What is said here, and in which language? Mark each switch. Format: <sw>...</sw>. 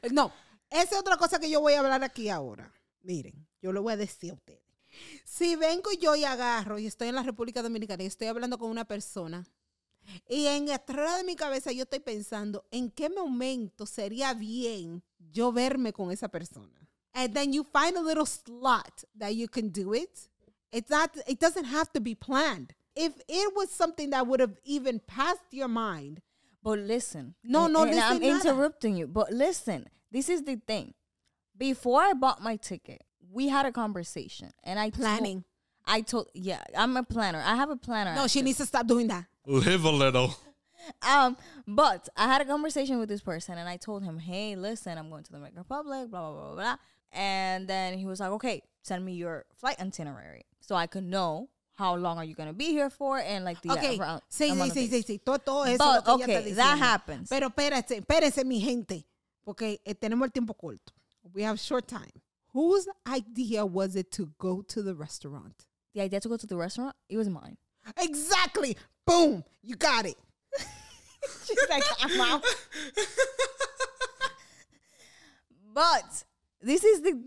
<es>No, esa es otra cosa que yo voy a hablar aquí ahora. Miren, yo lo voy a decir a ustedes. Si vengo yo y agarro y estoy en la República Dominicana y estoy hablando con una persona y en atrás de mi cabeza yo estoy pensando en qué momento sería bien yo verme con esa persona.</es> <en>And then you find a little slot that you can do it. It doesn't have to be planned. If it was something that would have even passed your mind. But listen. No, listen. I'm interrupting you. But listen, this is the thing. Before I bought my ticket, we had a conversation and I'm a planner. I have a planner. No, she needs to stop doing that. Live a little. But I had a conversation with this person and I told him, hey, listen, I'm going to the Dominican Republic, blah, blah, blah, blah. And then he was like, okay, send me your flight itinerary so I could know how long are you going to be here for and like the Okay, that happens.</en> <es>Pero espérense, mi gente, porque tenemos el tiempo corto.</es> <en>We have short time. Whose idea was it to go to the restaurant? The idea to go to the restaurant? It was mine. Exactly. Boom. You got it. She's like, I'm out. But this is the thing.</en>